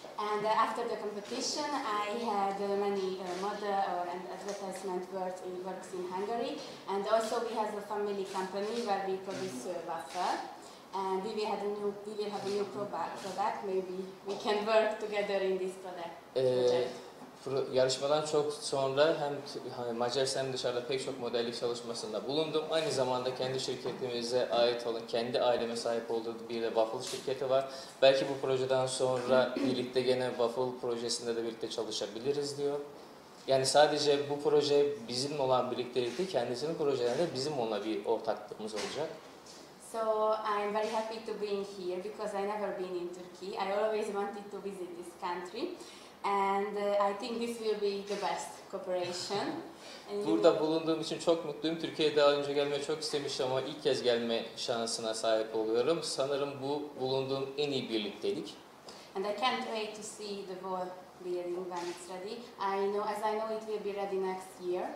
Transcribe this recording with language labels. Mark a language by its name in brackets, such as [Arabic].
[English] And after the competition, I had many model or and advertisement works in Hungary. And also we have a family company where we produce wafer. And we will have a new product. Maybe we can work together in this product. [Turkish] Yarışmadan çok sonra hem Macaristan hem dışarıda pek çok modellik çalışmasında bulundum. Aynı zamanda kendi şirketimize ait olan, kendi aileme sahip olduğu bir de waffle şirketi var. Belki bu projeden sonra birlikte gene waffle projesinde de birlikte çalışabiliriz diyor. Yani sadece bu proje bizim olan birliktelikti, kendisinin projelerinde bizim onunla bir ortaklığımız olacak. [English] So I'm very happy to be here because I never been in Turkey. I always wanted to visit this country. And I think this will be the best cooperation. [Turkish] Burada bulunduğum için çok mutluyum. Türkiye'ye daha önce gelmeye çok istemiştim ama ilk kez gelme şansına sahip oluyorum. Sanırım bu bulunduğum en iyi birliktelik. [English] And I can't wait to see the whole building when it's ready. I know it will be ready next year.